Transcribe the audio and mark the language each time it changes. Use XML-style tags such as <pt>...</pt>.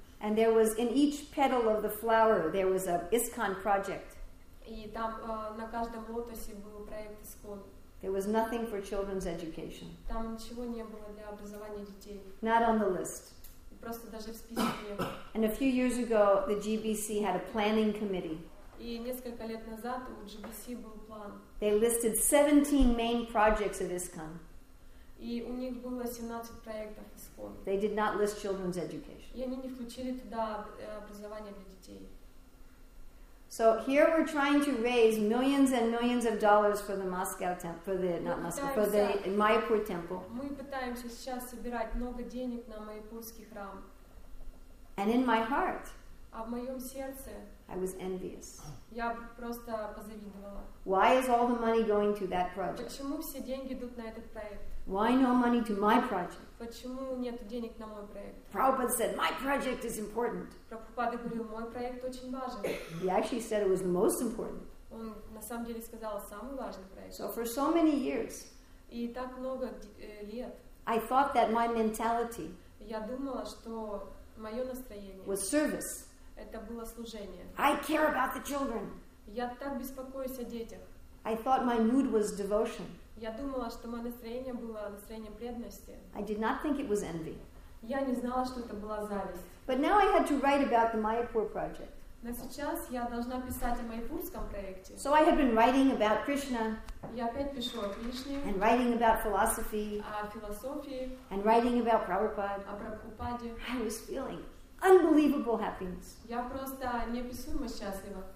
<en>And there was in each petal of the flower there was a ISKCON project.</en> <ru>И там на каждом лотосе был проект ISKCON.</ru> <en>There was nothing for children's education.</en> <ru>Там ничего не было для образования детей.</ru> <en>Not on the list.</en> <ru>Просто даже в списке не было.</ru> <en>And a few years ago, the GBC had a planning committee.</en> <ru>И несколько лет назад у GBC был план.</ru> <en>They listed 17 main projects of ISKCON.</en> <ru>И у них было 17 проектов ISKCON.</ru> <en>They did not list children's education.</en> <ru>И они не включили туда образование для детей.</ru> <en>So here we're trying to raise millions and millions of dollars for the Moscow temple, for the Mayapur temple.</en> <ru>Мы пытаемся сейчас собирать много денег на майпурский храм.</ru> <en>And in my heart,</en> <ru>а в моем сердце,</ru> <en>I was envious.</en> <ru>Я просто позавидовала.</ru> <en>Why is all the money going to that project?</en> <ru>Почему все деньги идут на этот проект?</ru> <en>Why no money to my project?</en> <ru>Почему нет денег на мой проект?</ru> <en>Prabhupada said my project is important.</en> <ru>Прабхупада говорил, мой проект очень важен.</ru> <en>He actually said it was the most important.</en> <ru>Он на самом деле сказал самый важный проект.</ru> <en>So for so many years,</en> <ru>И так много лет.</ru> <en>I thought that my mentality.</en> <ru>Я думала, что моё настроение.</ru> <en>Was service.</en> <ru>Это было служение.</ru> <en>I care about the children.</en> <ru>Я так беспокоюсь о детях.</ru> <en>I thought my mood was devotion.</en> <ru>Я думала, что моё настроение было настроением преданности.</ru> <en>I did not think it was envy.</en> <ru>Я не знала, что это была зависть.</ru> <en>But now I had to write about the Mayapur project.</en> <ru>Но сейчас я должна писать о Майпурском проекте.</ru> <en>So I had been writing about Krishna.</en> <ru>Я опять пишу о Кришне.</ru> <en>And writing about philosophy.</en> <ru>О философии.</ru> <en>And writing about Prabhupada.</en> <ru>О Прабхупаде.</ru> <en>I was feeling unbelievable happiness.</en> <ru>Я просто неописуемо счастлива.</ru>